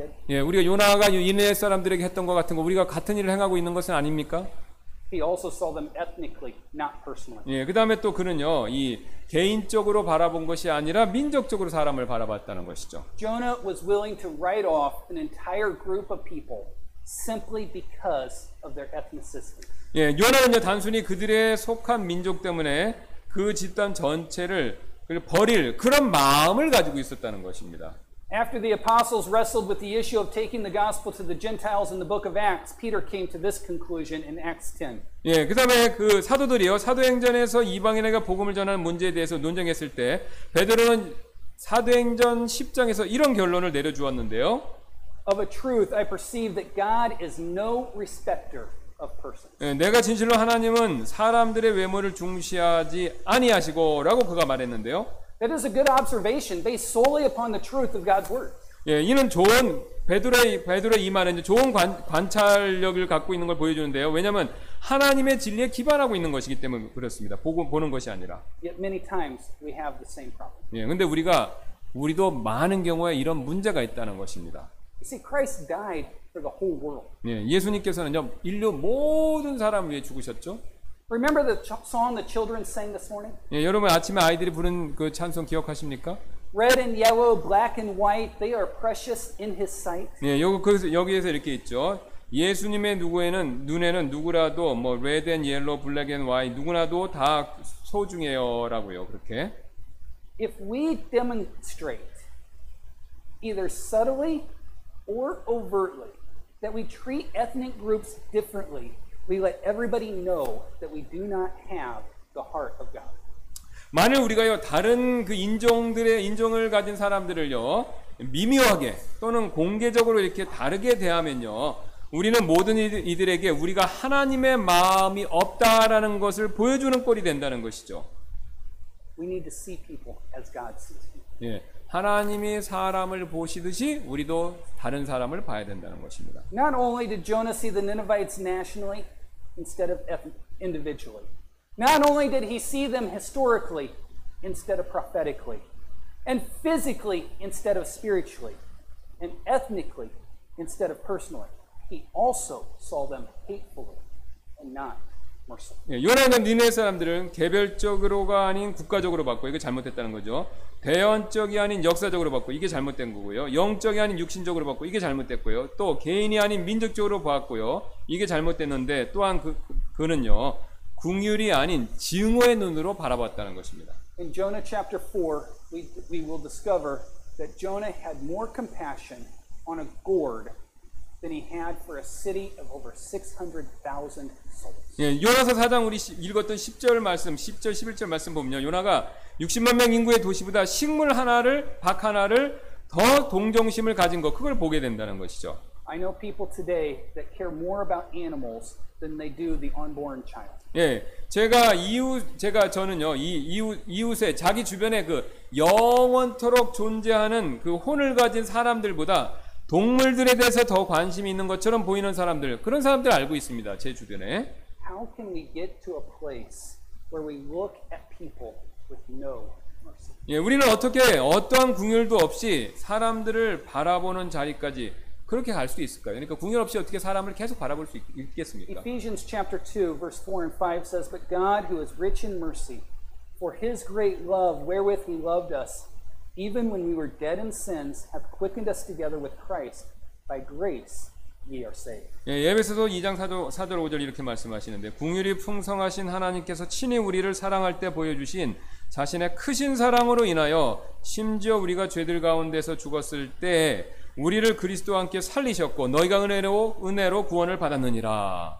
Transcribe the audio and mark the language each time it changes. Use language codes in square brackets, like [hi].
[ko] 예, 우리가 요나가 니느웨 사람들에게 했던 것 같은 거 우리가 같은 일을 행하고 있는 것은 아닙니까? [en] He also saw them ethnically, not personally. [ko] 예, 그 다음에 또 그는요, 이 개인적으로 바라본 것이 아니라 민족적으로 사람을 바라봤다는 것이죠. [en] Jonah was willing to write off an entire group of people simply because of their ethnicity. [ko] 예, 요나는요 단순히 그들의 속한 민족 때문에 그 집단 전체를 버릴 그런 마음을 가지고 있었다는 것입니다. [en] After the apostles wrestled with the issue of taking the gospel to the Gentiles in the book of Acts, Peter came to this conclusion in Acts 10. [ko] 예, 그다음에 그 사도들이요. 사도행전에서 이방인에게 복음을 전하는 문제에 대해서 논쟁했을 때 베드로는 사도행전 10장에서 이런 결론을 내려주었는데요. [en] Of a truth, I perceive that God is no respecter of persons. [ko] 예, 내가 진실로 하나님은 사람들의 외모를 중시하지 아니하시고라고 그가 말했는데요. [en] That is a good observation based solely upon the truth of God's word. [ko] 예, 이는 좋은 베드로의 이 말은 이제 좋은 관찰력을 갖고 있는 걸 보여주는데요. 왜냐하면 하나님의 진리에 기반하고 있는 것이기 때문에 그렇습니다. 보는 것이 아니라. [en] Yet many times we have the same problem. [ko] 예, 근데 우리도 많은 경우에 이런 문제가 있다는 것입니다. [en] You see, Christ died for the whole world. [ko] 예, 예수님께서는요 인류 모든 사람을 위해 죽으셨죠. [en] Remember the song the children sang this morning? [ko] 예, 여러분 아침에 아이들이 부른 그 찬송 기억하십니까? [en] Red and yellow, black and white, they are precious in His sight. [ko] 예, 여기에서 이렇게 있죠. 예수님의 눈에는 누구라도 뭐 [en] red and yellow, black and white [ko] 누구나도 다 소중해요라고요. 그렇게. [en] If we demonstrate either subtly or overtly that we treat ethnic groups differently, we let everybody know that we do not have the heart of God. [ko] 만일 우리가요 다른 그 인종을 가진 사람들을요 미묘하게 또는 공개적으로 이렇게 다르게 대하면요 우리는 모든 이들에게 우리가 하나님의 마음이 없다라는 것을 보여주는 꼴이 된다는 것이죠. [en] We need to see people as God sees people. [ko] 예, 하나님이 사람을 보시듯이 우리도 다른 사람을 봐야 된다는 것입니다. [en] Not only did Jonah see the Ninevites nationally instead of individually. Not only did he see them historically instead of prophetically and physically instead of spiritually and ethnically instead of personally. He also saw them hatefully and not mercifully. [ko] 예, 요나는 니네 사람들은 개별적으로가 아닌 국가적으로 봤고 이게 잘못됐다는 거죠. 대연적이 아닌 역사적으로 봤고 이게 잘못된 거고요. 영적이 아닌 육신적으로 봤고 이게 잘못됐고요. 또 개인이 아닌 민족적으로 봤고요. 이게 잘못됐는데 또한 그는요. 궁율이 아닌 증오의 눈으로 바라봤다는 것입니다. [en] In Jonah chapter 4, we will discover that Jonah had more compassion on a gourd than he had for a city of over 600,000 souls. [ko] 예, 요나서 4장 우리 읽었던 10절 11절 말씀 보면요. 요나가 60만 명 인구의 도시보다 식물 하나를 박 하나를 더 동정심을 가진 것 그걸 보게 된다는 것이죠. [en] I know people today that care more about animals than they do the unborn child. [ko] 예, 저는요 이 이웃에 자기 주변에 그 영원토록 존재하는 그 혼을 가진 사람들보다 동물들에 대해서 더 관심이 있는 것처럼 보이는 사람들 그런 사람들 알고 있습니다 제 주변에. [en] How can we get to a place where we look at people with no mercy? [ko] 예, 우리는 어떻게 어떠한 궁율도 없이 사람들을 바라보는 자리까지 그렇게 갈 수 있을까요? 그러니까 궁율 없이 어떻게 사람을 계속 바라볼 수 있겠습니까? [en] Ephesians chapter 2 verse 4 and 5 says but God who is rich in mercy for his great love wherewith he loved us even when we were dead in sins hath quickened us together with Christ by grace ye are saved. [ko] 예, 에베소서 2장 4절 5절 이렇게 말씀하시는데 궁율이 풍성하신 하나님께서 친히 우리를 사랑할 때 보여주신 자신의 크신 사랑으로 인하여 심지어 우리가 죄들 가운데서 죽었을 때 우리를 그리스도와 함께 살리셨고 너희가 은혜로 구원을 받았느니라.